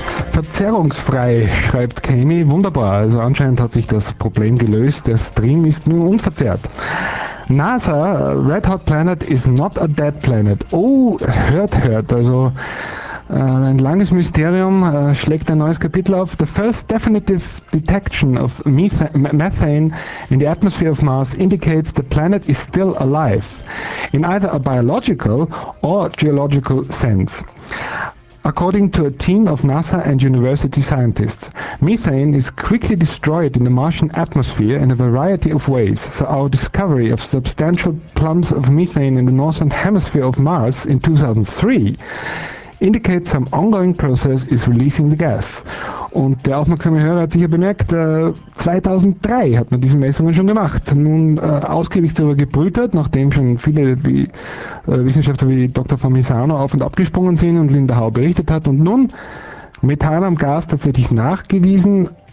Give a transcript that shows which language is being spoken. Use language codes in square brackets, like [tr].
[de] Verzerrungsfrei, schreibt Kami. Wunderbar, also anscheinend hat sich das Problem gelöst. Der Stream ist nun unverzerrt. [en] NASA, Red Hot Planet is not a dead planet. [de] Oh, hört, also ein langes Mysterium schlägt ein neues Kapitel auf. [en] The first definitive detection of methane in the atmosphere of Mars indicates the planet is still alive, in either a biological or geological sense. According to a team of NASA and university scientists, methane is quickly destroyed in the Martian atmosphere in a variety of ways. So our discovery of substantial plumes of methane in the northern hemisphere of Mars in 2003 indicates some ongoing process is releasing the gas. [de] Und der aufmerksame Hörer hat sicher bemerkt, 2003 hat man diese Messungen schon gemacht. Nun ausgiebig darüber gebrütet, nachdem schon viele Wissenschaftler wie Dr. von Misano auf und abgesprungen sind und Linda Hau berichtet hat. Und nun Methan am Gas tatsächlich nachgewiesen.